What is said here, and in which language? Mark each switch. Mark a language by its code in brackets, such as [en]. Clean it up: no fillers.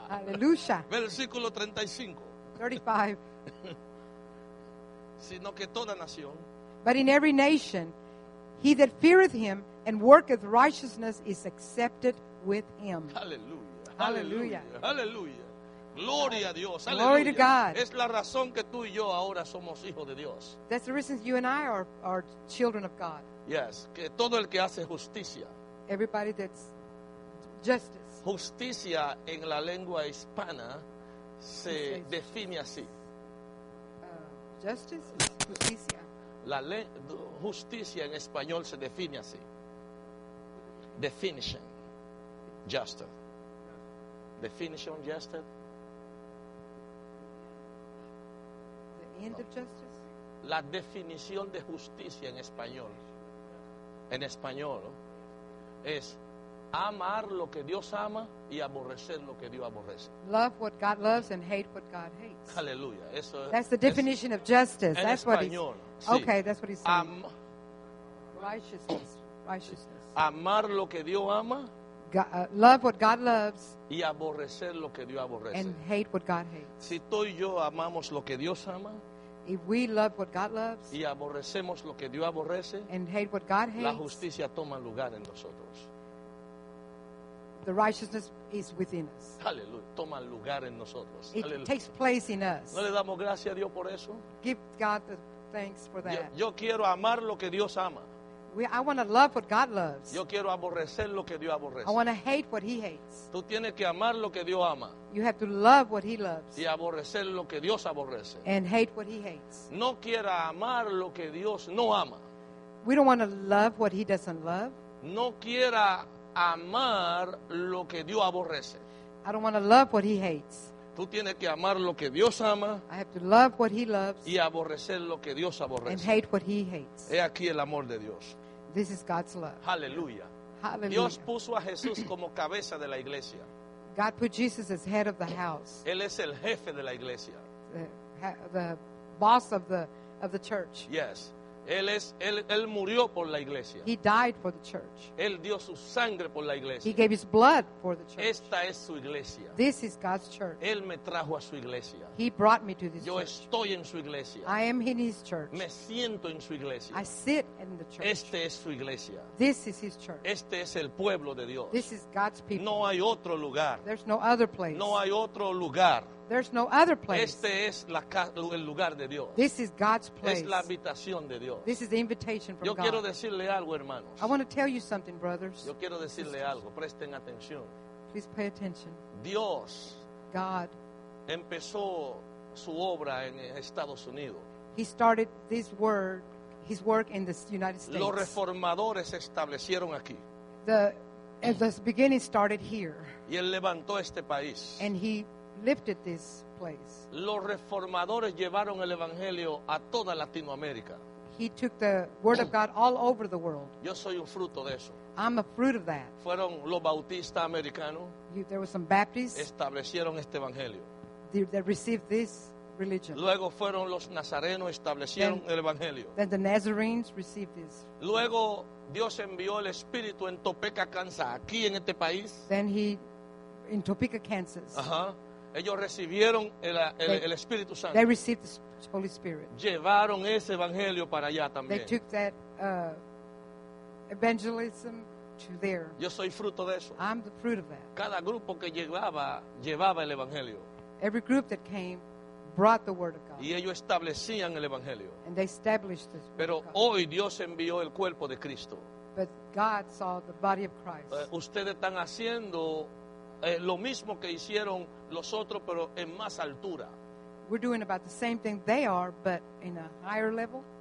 [es] Aleluya. Versículo 35. 35. Sino que toda nación, [en] but in every nation, he that feareth him and worketh righteousness is accepted with him. Hallelujah. Hallelujah. Hallelujah. [es] Gloria a Dios. [en] Glory Hallelujah. To God. [es] Es la razón que tú y yo ahora somos hijos de Dios. [en] That's the reason you and I are children of God. Yes. [es] Que todo el que hace justicia. [en] Everybody that's justice. [es] Justicia en la lengua hispana se define así. [en] Justice is justicia. [es] La justicia en español se define así. [en] Definition. Justice. Definition justice. The end of justice. [es] La definición de justicia en español. En español es amar lo que Dios ama y aborrecer lo que Dios aborrece. [en] Love what God loves and hate what God hates. [es] Aleluya. Eso es. [en] That's the definition of justice. That's [es] español, [en] what he's. [es] Sí. [en] Okay, that's what he's saying. [es] Righteousness. Amar lo que Dios ama. [en] Love what God loves. [es] Y aborrecer lo que Dios aborrece. [en] And hate what God hates. [es] Si tú y yo amamos lo que Dios ama. [en] If we love what God loves. [es] Y aborrecemos lo que Dios aborrece. [en] And hate what God hates. [es] La justicia toma lugar en nosotros. [en] The righteousness is within us. [es] Hallelujah. Toma lugar en nosotros. [en] It Hallelujah. Takes place in us. [es] ¿No le damos gracias a Dios por eso? [en] Give God the thanks for that. [es] Yo quiero amar lo que Dios ama. [en] I want to love what God loves. [es] Yo quiero aborrecer lo que Dios aborrece. [en] I want to hate what he hates. [es] Tú tienes que amar lo que Dios ama. [en] You have to love what he loves. [es] Y aborrecer lo que Dios aborrece. [en] And hate what he hates. [es] No quiera amar lo que Dios no ama. [en] We don't want to love what he doesn't love. [es] No quiera amar lo que Dios aborrece. [en] I don't want to love what he hates. [es] Tú tienes que amar lo que Dios ama. [en] I have to love what he loves. [es] Y aborrecer lo que Dios aborrece. [en] And hate what he hates. [es] He aquí el amor de Dios. [en] This is God's love. Hallelujah. Hallelujah. [es] Dios puso a Jesús como cabeza de la iglesia. [en] God put Jesus as head of the house. [es] Él es el jefe de la iglesia. [en] The boss of the church. [es] Yes. Él murió por la iglesia. [en] He died for the church. [es] Él dio su sangre por la iglesia. [en] He gave his blood for the church. [es] Esta es su iglesia. [en] This is God's church. [es] Él me trajo a su iglesia. [en] He brought me to this [es] Yo [en] church. [es] Yo estoy en su iglesia. [en] I am in his church. [es] Me siento en su iglesia. [en] I sit in the church. [es] Este es su iglesia. [en] This is his church. [es] Este es el pueblo de Dios. [en] This is God's people. [es] No hay otro lugar. [en] There's no other place. [es] No hay otro lugar. [en] There's no other place. [es] Este es la el lugar de Dios. [en] This is God's place. [es] Es la habitación de Dios. [en] This is the invitation from [es] Yo [en] God. [es] Quiero decirle algo, hermanos. [en] I want to tell you something, brothers. [es] Yo quiero decirle algo. Presten atención. [en] Please pay attention. [es] Dios [en] God [es] empezó su obra en Estados Unidos. [en] He started his work in the United States. [es] Los reformadores establecieron aquí. [en] The beginning started here. [es] Y él levantó este país. [en] And he lifted this place. [es] Los reformadores llevaron el evangelio a toda Latinoamérica. [en] He took the word of God all over the world. [es] Yo soy un fruto de eso. [en] I'm a fruit of that. [es] Fueron los bautistas americanos. [en] There were some Baptists. [es] Establecieron este evangelio. [en] They received this religion. [es] Luego fueron los nazarenos, establecieron el evangelio. [en] Then the Nazarenes received this. [es] Luego Dios envió el Espíritu en Topeka, Kansas, aquí en este país. [en] Then he, in Topeka, Kansas. [es] Ellos recibieron el Espíritu Santo. [en] They received the Holy Spirit. [es] Llevaron ese evangelio para allá también. [en] They took that evangelism to there. [es] Yo soy fruto de eso. [en] I'm the fruit of that. [es] Cada grupo que llevaba el evangelio. [en] Every group that came brought the word of God. [es] Y ellos establecían el evangelio. [en] And they established this word. [es] Pero hoy Dios envió el cuerpo de Cristo. [en] But God saw the body of Christ. [es] Ustedes están haciendo lo mismo que hicieron los otros, pero en más altura. [en] We're doing about the same thing they are, but in a higher level.